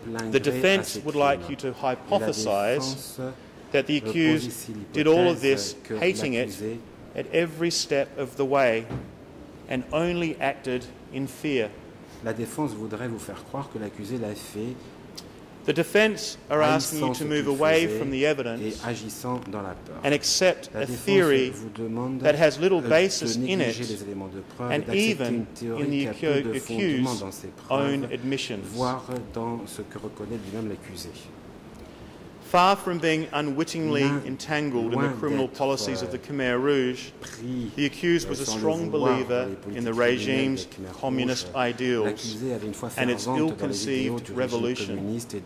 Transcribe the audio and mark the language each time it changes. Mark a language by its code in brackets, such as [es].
[en] The defence would like you to hypothesise that the accused did all of this, hating it at every step of the way, and only acted in fear. [fr] La défense voudrait vous faire croire que l'accusé l'a fait. [en] The defense are asking you to move away from the evidence and accept a theory that has little basis in it and even in the accused's own admissions. [fr] Voir dans ce que reconnaît lui-même l'accusé. [en] Far from being unwittingly entangled in the criminal policies of the Khmer Rouge, the accused was a strong believer in the regime's communist ideals and its ill-conceived revolution.